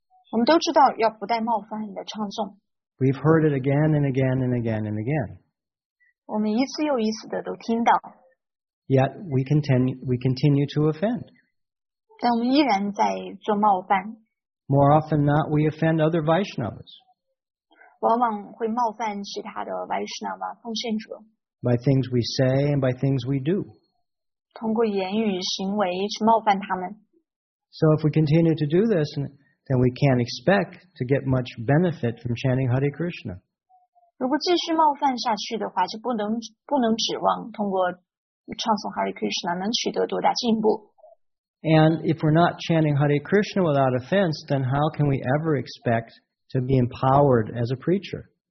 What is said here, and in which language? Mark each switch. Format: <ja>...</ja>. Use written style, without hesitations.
<zh>我们都知道要不带冒犯的唱诵。</zh> <en>We've heard it again and again and again and again.</en> <zh>我们一次又一次的都听到。</zh> <en>Yet we continue to offend.</en> <zh>但我们依然在做冒犯。</zh> <en>More often than not, we offend other Vaishnavas.</en> <zh>往往会冒犯其他的 Vaishnava 奉献者。</zh> <en>By things we say and by things we do.</en> <zh>通过言语行为去冒犯他们。</zh> <en>So if we continue to do this, then we can't expect to get much benefit from chanting Hare Krishna.</en> <zh>如果继续冒犯下去的话，就不能指望通过唱诵 Hare Krishna 能取得多大进步。</zh> <en>And if we're not chanting Hare Krishna without offense, then how can we ever expect to be empowered as a preacher?</en>